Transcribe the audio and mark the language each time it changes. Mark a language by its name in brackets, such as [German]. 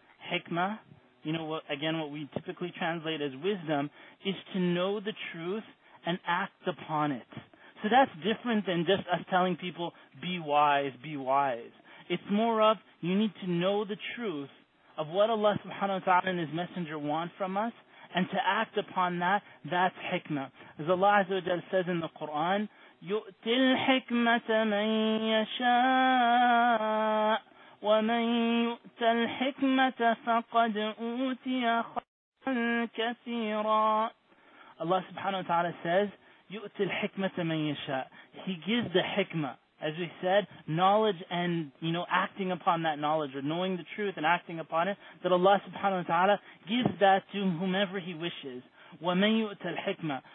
[English] Hikmah, what we typically translate as wisdom, is to know the truth and act upon it. So that's different than just us telling people, be wise, be wise. It's more of, you need to know the truth of what Allah subhanahu wa ta'ala and His Messenger want from us, and to act upon that, that's hikmah. As Allah Azza wa Jalla says in the Quran, [Arabic] يُؤْتِ الْحِكْمَةَ مَنْ يَشَاءُ وَمَنْ يُؤْتَ الْحِكْمَةَ فَقَدْ أُوتِيَ خَيْرًا كَثِيرًا. [English] Allah subhanahu wa ta'ala says, [Arabic] يُؤْتِ الْحِكْمَةَ مَنْ يَشَاءُ. [English] He gives the hikmah. As we said, knowledge and, acting upon that knowledge, or knowing the truth and acting upon it, that Allah subhanahu wa ta'ala gives that to whomever He wishes. [Arabic] وَمَنْ يُؤْتَ الْحِكْمَةَ.